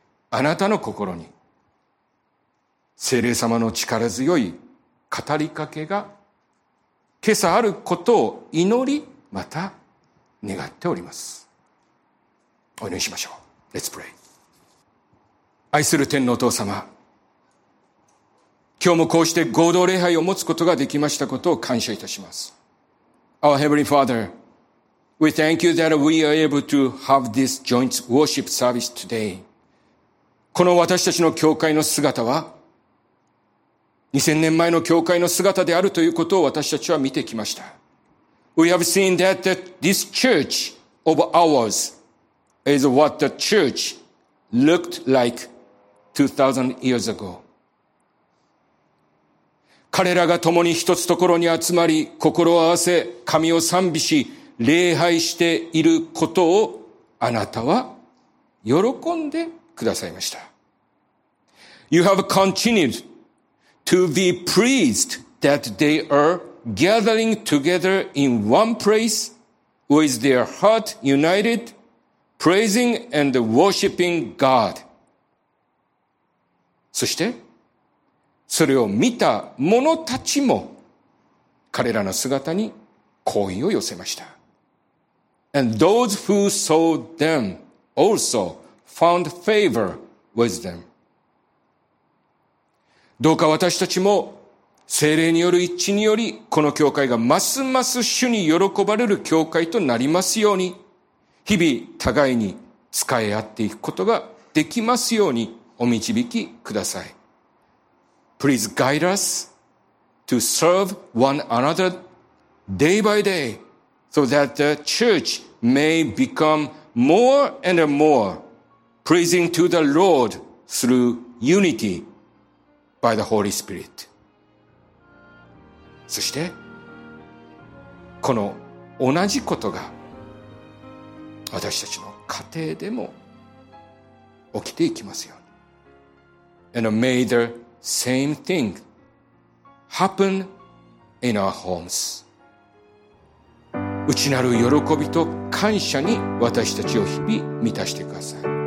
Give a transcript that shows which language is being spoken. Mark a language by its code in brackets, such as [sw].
[ja] あなたの心に、聖霊様の力強い語りかけが、今朝あることを祈り、また願っております。お祈りしましょう。 [en] Let's pray. [ja] 愛する天のお父様、今日もこうして合同礼拝を持つことができましたことを感謝いたします。 [en] Our Heavenly Father, we thank you that we are able to have this joint worship service today. [ja] この私たちの教会の姿は、2000年前の教会の姿であるということを私たちは見てきました。 [en] We have seen that this church of ours is what the church looked like 2000 years ago. [ja] 彼らが共に一つところに集まり、心を合わせ、神を賛美し、礼拝していることをあなたは喜んでくださいました。 [en] You have continued to be pleased that they are gathering together in one place with their heart united, praising and worshiping God. [ja] そして、それを見た者たちも彼らの姿に好意を寄せました。 [en] And those who saw them also found favor with them. [ja] どうか私たちも聖霊による一致により、この教会がますます主に喜ばれる教会となりますように、日々互いに仕え合っていくことができますようにお導きください。 [en] Please guide us to serve one another day by day so that the church may become more and more pleasing to the Lord through unity by the Holy Spirit. [ja] そして、この同じことが私たちの家庭でも起きていきますように。 [en] And may theSame thing happen in our homes. [ja] 内なる喜びと感謝に私たちを日々満たしてください。